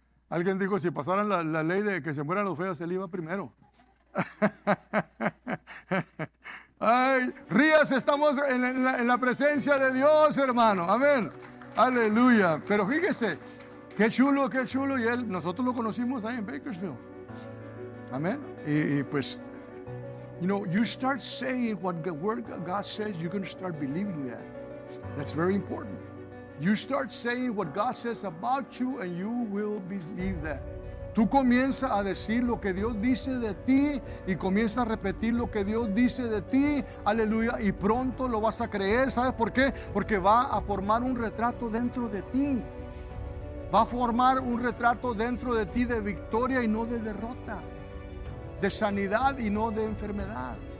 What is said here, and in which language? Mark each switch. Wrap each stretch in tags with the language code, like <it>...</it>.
<es>Alguien dijo, si pasaran la ley de que se mueran los feos, él iba primero. Ay, Rías, estamos en la presencia de Dios, hermano. Amén. Aleluya. Pero fíjese, qué chulo. Y él, nosotros lo conocimos ahí en Bakersfield. Amén.</es> <en>Y pues, you know, you start saying what the word of God says, you're going to start believing that. That's very important. You start saying what God says about you, and you will believe that.</en> <es>Tú comienza a decir lo que Dios dice de ti y comienza a repetir lo que Dios dice de ti, aleluya, y pronto lo vas a creer. ¿Sabes por qué? Porque va a formar un retrato dentro de ti. Va a formar un retrato dentro de ti de victoria y no de derrota, de sanidad y no de enfermedad.</es>